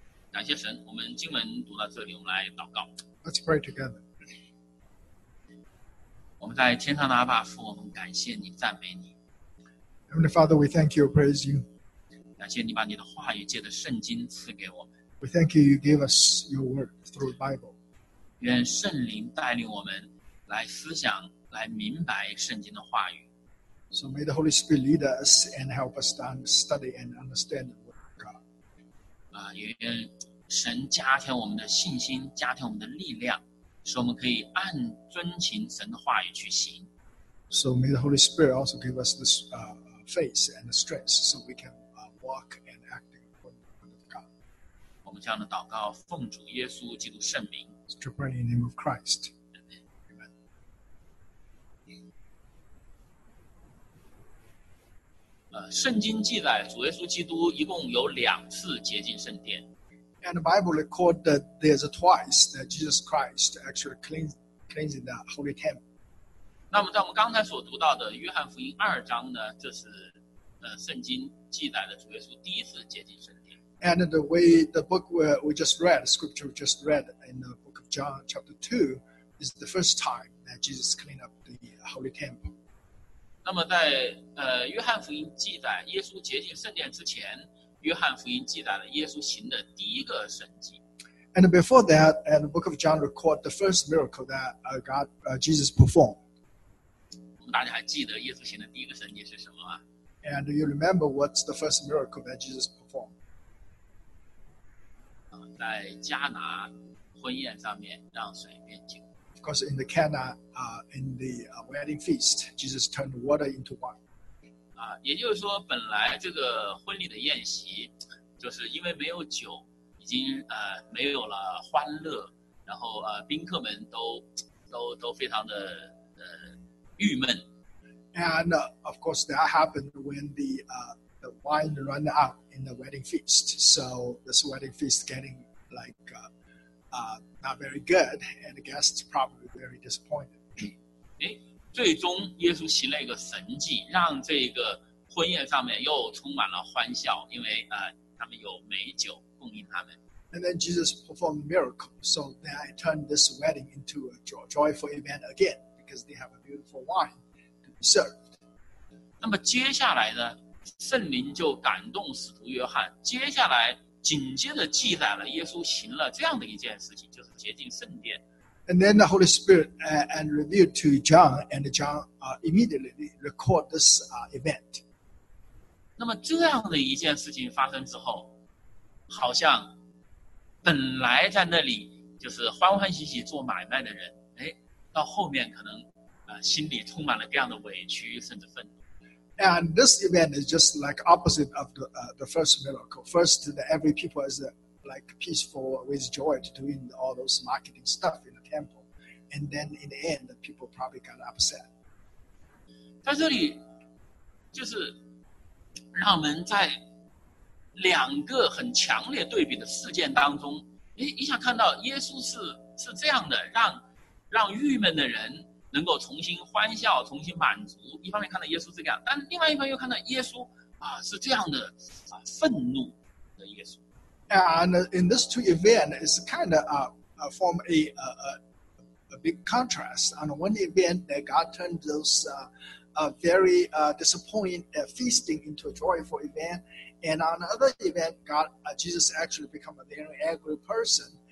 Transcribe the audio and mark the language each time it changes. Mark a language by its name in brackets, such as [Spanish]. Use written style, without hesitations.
[Chinese] 感谢神，我们经文读到这里，我们来祷告。 [English] Let's pray together. [Chinese] 我们在天上的阿爸父，我们感谢你，赞美你。 [English] Heavenly Father, we thank you, praise you. [Chinese] 感谢你把你的话语借着圣经赐给我们。 [English] We thank you, you gave us your word through the Bible. [Chinese] 愿圣灵带领我们来思想，来明白圣经的话语。 [English] So may the Holy Spirit lead us and help us to study and understand the word of God. [Chinese] 愿神加添我们的信心，加添我们的力量，使我们可以按遵行神的话语去行。 [English] So may the Holy Spirit also give us this faith and strength so we can walk and act in the word of God. [Chinese] 我们这样的祷告，奉主耶稣基督圣名。 [English] To pray in the name of Christ. Amen. [Chinese] 圣经记载，主耶稣基督一共有2次洁净圣殿。 [English] And the Bible record that there's twice that Jesus Christ actually cleansing the Holy Temple. [Chinese] 那么在我们刚才所读到的约翰福音二章呢，这是圣经记载的主耶稣第一次洁净圣殿。 [English] And the way the book we just read, scripture we just read in the book of John chapter 2 is the first time that Jesus cleaned up the Holy Temple. [Chinese] 那么在约翰福音记载耶稣洁净圣殿之前，约翰福音记载了耶稣行的第一个神迹。 [English] And before that, and the book of John record the first miracle that God, Jesus performed. [Chinese] 我们大家还记得耶稣行的第一个神迹是什么吗？ [English] And you remember what's the first miracle that Jesus performed? [Chinese] 在迦拿婚宴上面让水变酒。 [English] Of course, in the Cana, in the wedding feast, Jesus turned water into wine. [Chinese] 也就是说本来这个婚礼的宴席就是因为没有酒已经没有了欢乐，然后宾客们都非常的郁闷。 [English] And of course that happened when the wine ran out in the wedding feast, so this wedding feast getting like not very good, and the guests probably very disappointed. [Chinese] 最终耶稣行了一个神迹，让这个婚宴上面又充满了欢笑，因为他们有美酒供应他们。 [English] And then Jesus performed a miracle, so that it turned this wedding into a joyful event again, because they have a beautiful wine to be served. [Chinese] 那么接下来呢，圣灵就感动使徒约翰，接下来紧接着记载了耶稣行了这样的一件事情，就是洁净圣殿。 [English] And then the Holy Spirit and revealed to John, and John immediately record this event. [Chinese] 那么这样的一件事情发生之后，好像本来在那里就是欢欢喜喜做买卖的人，哎，到后面可能心里充满了这样的委屈甚至愤怒。 [English] And this event is just like opposite of the first miracle. First, the every people is like peaceful with joy doing all those marketing stuff. And then in the end, the people probably got upset. [Chinese] 在这里，就是让我们在两个很强烈对比的事件当中，一下看到耶稣是这样的，让郁闷的人能够重新欢笑，重新满足。一方面看到耶稣这样，但另外一方面又看到耶稣是这样的愤怒的耶稣。 [English] And in these two events, it's kind of form a big contrast. On one event, that God turned those very disappointing feasting into a joyful event, and on another event, God Jesus actually become a very angry person.